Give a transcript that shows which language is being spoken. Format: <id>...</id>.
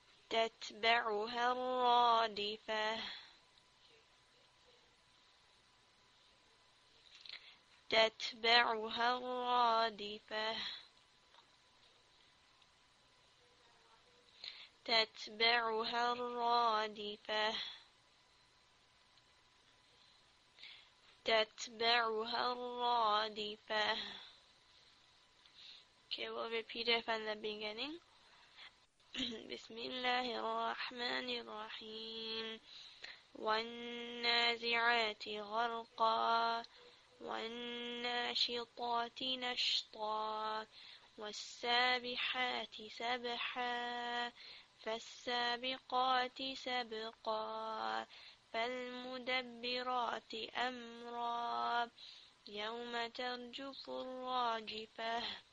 <ar>تتبعها الرادفة تتبعها الرادفة تتبعها الرادفة تتبعها الرادفة.</ar> <en>Okay, we'll repeat it from the beginning.</en> <ar>بسم الله الرحمن الرحيم. والنازعات غرقا والناشطات نشطا والسابحات سبحا فالسابقات سبقا فالمدبرات أمرا يوم ترجف الراجفة</ar>